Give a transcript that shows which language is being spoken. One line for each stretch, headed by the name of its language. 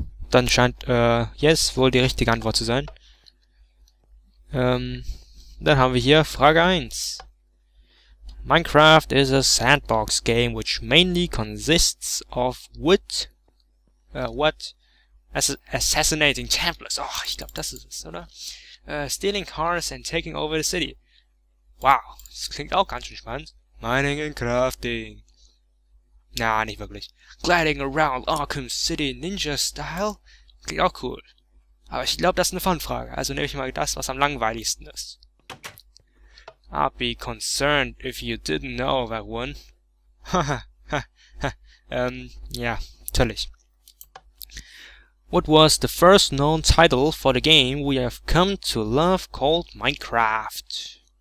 German: Dann scheint, yes wohl die richtige Antwort zu sein. Dann haben wir hier Frage 1.
English: Minecraft is a sandbox game which mainly consists of wood. What? Assassinating Templars.
German: Oh, ich glaube, das ist es, oder?
English: Stealing cars and taking over the city.
German: Wow, das klingt auch ganz schön spannend.
English: Mining and crafting.
German: Na, nicht wirklich.
English: Gliding around Arkham City Ninja Style.
German: Klingt auch cool. Aber ich glaube, das ist eine Fun-Frage. Also nehme ich mal das, was am langweiligsten ist.
English: I'd be concerned if you didn't know that one. Haha.
German: ja, natürlich.
English: What was the first known title for the game we have come to love called Minecraft?